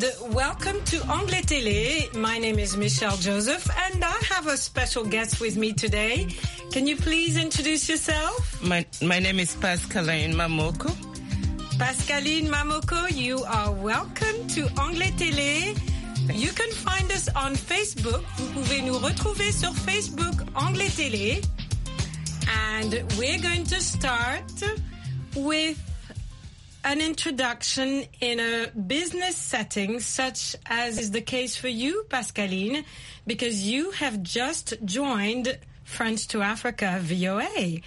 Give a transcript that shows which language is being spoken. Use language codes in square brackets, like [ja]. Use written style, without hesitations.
[en] Welcome to Anglais Télé. My name is Michelle Joseph, and I have a special guest with me today. Can you please introduce yourself? My name is Pascaline Mamoko. Pascaline Mamoko, you are welcome to Anglais Télé. You can find us on Facebook. [fr] Vous pouvez nous retrouver sur Facebook Anglais Télé. [en] And we're going to start with an introduction in a business setting, such as is the case for you, Pascaline, because you have just joined French to Africa VOA.